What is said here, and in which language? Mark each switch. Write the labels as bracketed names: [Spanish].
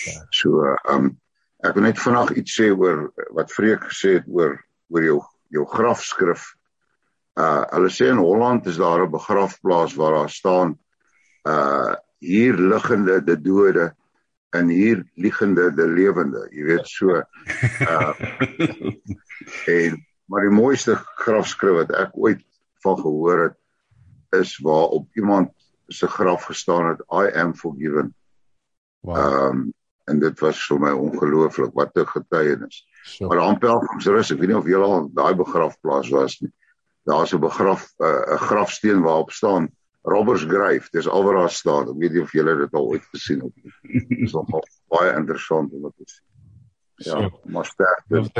[Afrikaans] So ek wil net vanaand iets sê oor wat Freek gesê het oor jou grafskrif. Hulle sê in Holland is daar 'n begrafplaas waar daar staan hier liggende die dode en hier liggende die lewende, jy weet so. maar die mooiste grafskrif wat ek ooit van gehoor het is waar op iemand se graf gestaan het [English] I am forgiven. [Afrikaans] Wow. En dit was vir my ongelooflik, wat 'n getuienis. So. Maar aan pelgrimsrus, ek weet nie of jy al daai begrafplaas was nie. Daar's 'n begraf 'n grafsteen waarop staan Robbers Grave, dis al waar daar staan. Ek weet nie of julle dit al ooit gesien het nie. Dis nogal baie interessant om dit te sien. Ja, so, maar sterkte.